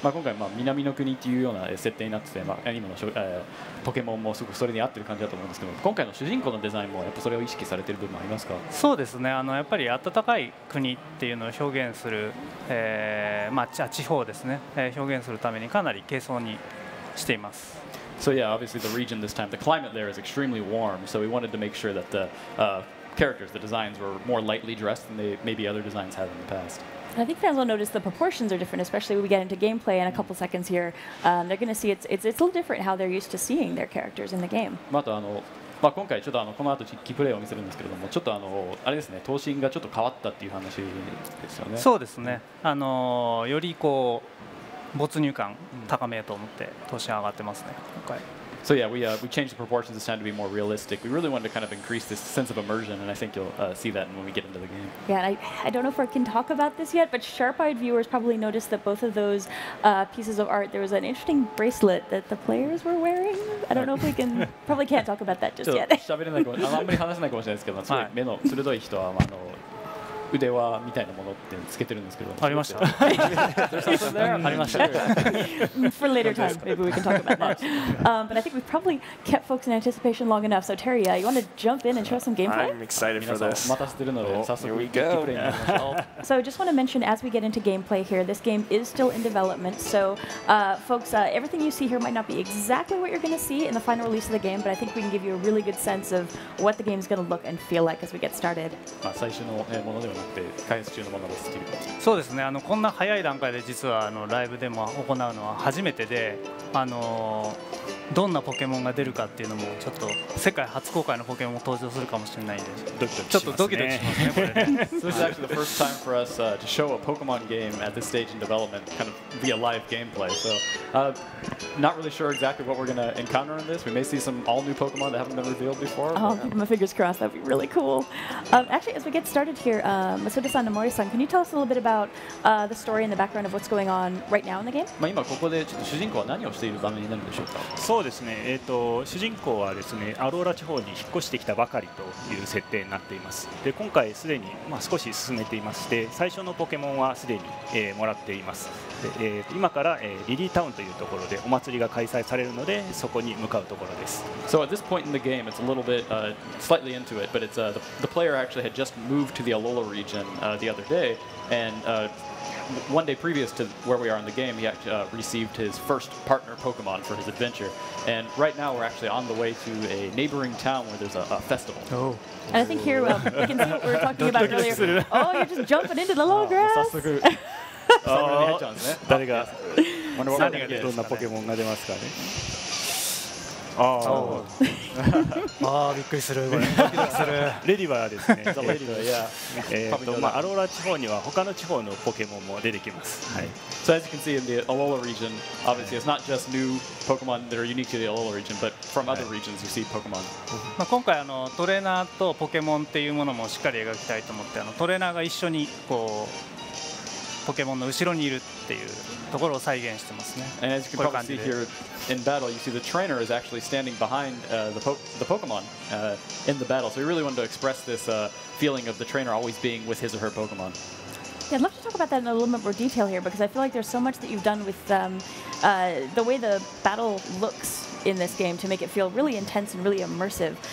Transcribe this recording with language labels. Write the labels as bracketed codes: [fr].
[ja] まあ今回まあ南の国っていうような設定になってて、まあ今のポケモンもすごくそれに合ってる感じだと思うんですけど、今回の主人公のデザインもそれを意識されている部分もありますか。そうですね、やっぱり暖かい国っていうのを表現する、まあ、地方ですね、表現するためにかなり軽装にしています。 [en] So yeah, obviously the region this time, the climate there is extremely warm, so we wanted to make sure that the characters, the designs were more lightly dressed than they maybe other designs had in the past. I think fans will notice the proportions are different, especially when we get into gameplay in a couple seconds here. They're going to see it's a little different how they're used to seeing their characters in the game. [ja] またまあ、今回ちょっとこの後実機プレイを見せるんですけれども、ちょっとあれですね、頭身がちょっと変わったっていう話ですよね。そうですね、よりこう没入感高めと思って頭身上がってますね今回。 [en] So yeah, we changed the proportions this time to be more realistic. We really wanted to kind of increase this sense of immersion, and I think you'll see that when we get into the game. Yeah, I don't know if we can talk about this yet, but sharp-eyed viewers probably noticed that both of those pieces of art, there was an interesting bracelet that the players were wearing. I don't know if we can, probably can't talk about that just yet. [ja] ちょっと喋れないかも、あんまり話せないかもしれないですけど、すごい目の鋭い人は、腕輪みたいなものってつけてるんですけど、ありましたありました [en] for later time maybe we can talk about that. But I think we've probably kept folks in anticipation long enough, so Terry, you want to jump in and show some gameplay? I'm excited for this. [ja] 待たせてるので早速プレイに行きましょう。 [en] So I just want to mention as we get into gameplay here, this game is still in development, so folks, everything you see here might not be exactly what you're going to see in the final release of the game, but I think we can give you a really good sense of what the game is going to look and feel like as we get started. [ja] 最初のものでなくて開発中のものです。そうですね、こんな早い段階で実はライブでも行うのは初めてで、どんなポケモンが出るかっていうのもちょっと世界初公開のポケモンも登場するかもしれないんで、ドキドキちょっとドキドキしますね。 [en] This is actually the first time for us to show a Pokemon game at this stage in development, kind of via live gameplay. So, not really sure exactly what we're going to encounter in this. We may see some all new Pokemon that haven't been revealed before. Oh, keep my fingers crossed. That'd be really cool. Actually, as we get started here, Masuda-san and Mori-san, can you tell us a little bit about the story and the background of what's going on right now in the game? [ja] まあ今ここでちょっと主人公は何をしている場面になるんでしょうか。そうですね、主人公はですね、アローラ地方に引っ越してきたばかりという設定になっています。で、今回すでに、まあ、少し進めていまして、最初のポケモンはすでに、もらっています。で、今から、リリータウンというところでお祭りが開催されるので、そこに向かうところです。 [en] So at this point in the game, it's a little bit slightly into it, but it's the player actually had just moved to the Alola region the other day, and one day previous to where we are in the game, he actually received his first partner Pokemon for his adventure. And right now, we're actually on the way to a neighboring town where there's a festival. Oh. And I think here, we can see what we were talking about earlier. Oh, you're just jumping into the low grass. Oh, [ja] ああ、びっくりする、これ。する。レディバーですね。レディバー、yeah. まあ、アローラ地方には他の地方のポケモンも出てきます。はい。 [en] So as you can see in the Alola region, obviously it's not just new Pokemon that are unique to the Alola region, but from other regions you see Pokemon. [ja] まあ、今回トレーナーとポケモンっていうものもしっかり描きたいと思って、トレーナーが一緒にこう、ポケモンの後ろにいるっていうところを再現してますね。 [en] And as you can probably see here in battle, you see the trainer is actually standing behind the Pokemon in the battle. So we really wanted to express this feeling of the trainer always being with his or her Pokemon. Yeah, I'd love to talk about that in a little bit more detail here because I feel like there's so much that you've done with the way the battle looks in this game to make it feel really intense and really immersive.